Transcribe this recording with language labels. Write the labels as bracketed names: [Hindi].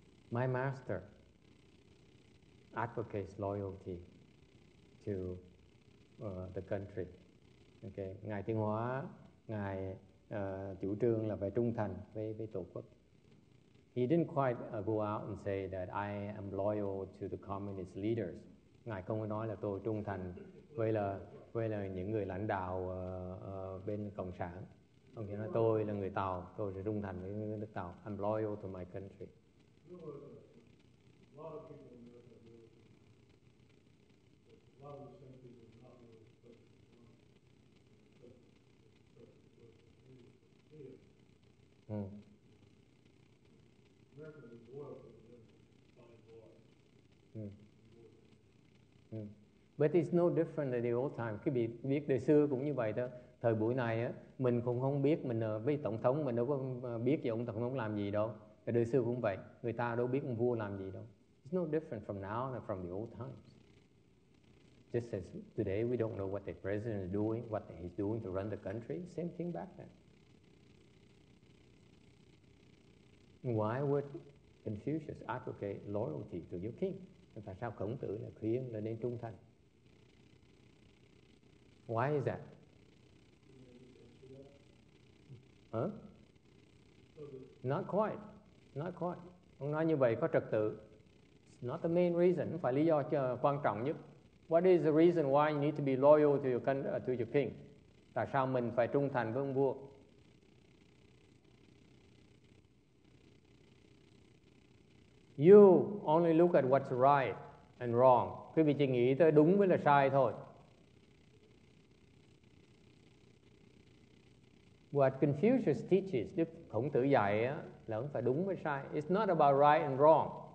[English] My master advocates loyalty to the country. [Vietnamese] Okay, ngài Thiên Hóa, ngài chủ trương là phải trung thành với tổ quốc. [English] He didn't quite go out and say that I am loyal to the communist leaders. [Vietnamese] Ngài không có nói là tôi trung thành với là những người lãnh đạo bên cộng sản. Ông chỉ nói tôi là người Tàu, tôi sẽ trung thành với nước Tàu. [English] I'm loyal to my country. Mm. But it's no different than the old time. [Vietnamese] Quý vị biết đời xưa cũng như vậy thôi. Thời buổi này á, mình cũng không biết mình với tổng thống, mình đâu có biết gì ông tổng thống làm gì đâu. Thời đời xưa cũng vậy, người ta đâu biết ông vua làm gì đâu. [English] It's no different from now than from the old times. Just as today we don't know what the president is doing, what he's doing to run the country, same thing back then. Why would Confucius advocate loyalty to your king? [Vietnamese] Tại sao Khổng Tử lại khuyên là nên trung thành? [English] Why is that? Huh? Not quite. [Vietnamese] Ông nói như vậy có trật tự. [English] It's not the main reason. [Vietnamese] Không phải lý do quan trọng nhất. [English] What is the reason why you need to be loyal to your king? [Vietnamese] Tại sao mình phải trung thành với ông vua? [English] You only look at what's right and wrong. [Vietnamese] Quý vị chỉ nghĩ tới đúng với là sai thôi. [English] What Confucius teaches, [Vietnamese] Đức Khổng Tử dạy á, là không phải đúng với sai. [English] It's not about right and wrong.